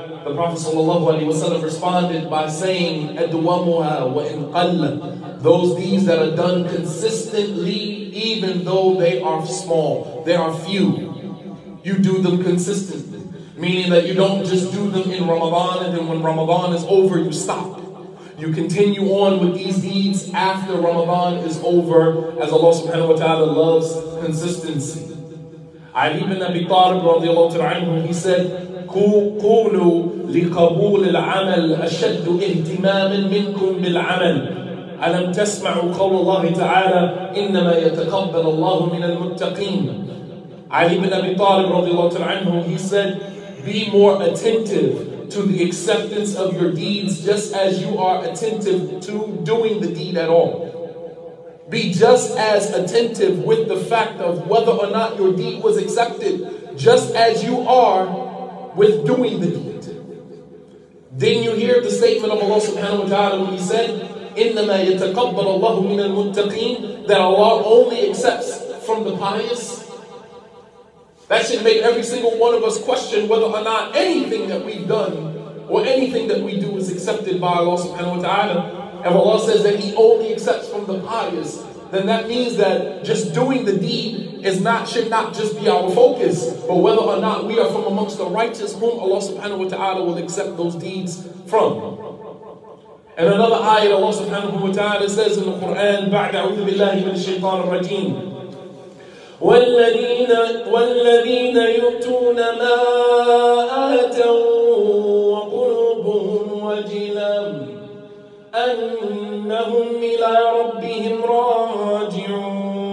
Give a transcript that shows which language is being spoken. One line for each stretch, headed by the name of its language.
English: The Prophet sallallahu alaihi wasallam responded by saying,
Arabic: adwamuha wa in qalla,
English: those deeds that are done consistently, even though they are small, they are few, you do them consistently. Meaning that you don't just do them in Ramadan and then when Ramadan is over, you stop. You continue on with these deeds after Ramadan is over, as Allah subhanahu wa ta'ala loves consistency. Ali ibn Abi Talib radiallahu ta'ala anhu, he said,
Arabic: قُولُوا لِقَبُولِ الْعَمَلِ أَشَدُّ اِهْتِمَامٍ مِنْكُمْ بِالْعَمَلِ أَلَمْ تَسْمَعُوا قَوْلَ اللَّهِ تَعَالَى إِنَّمَا يَتَقَبَّلَ اللَّهُ مِنَ الْمُتَّقِينَ.
English: Ali ibn Abi Talib radiallahu ta'ala anhu, he said, be more attentive to the acceptance of your deeds just as you are attentive to doing the deed at all. Be just as attentive with the fact of whether or not your deed was accepted just as you are with doing the deed. Then you hear the statement of Allah subhanahu wa ta'ala when he said,
Arabic: إِنَّمَا يَتَقَبَّلَ اللَّهُ مِنَ الْمُتَّقِينَ,
English: that Allah only accepts from the pious. That should make every single one of us question whether or not anything that we've done or anything that we do is accepted by Allah subhanahu wa ta'ala. If Allah says that He only accepts from the pious, then that means that just doing the deed should not just be our focus, but whether or not we are from amongst the righteous whom Allah subhanahu wa ta'ala will accept those deeds from. And another ayah, Allah subhanahu wa ta'ala says in the Quran,
Arabic: بعد أعوذ بالله من الشيطان الرجيم والذين يؤتون ما آتوا وقلوبهم وجلا أنهم إلى ربهم راجعون.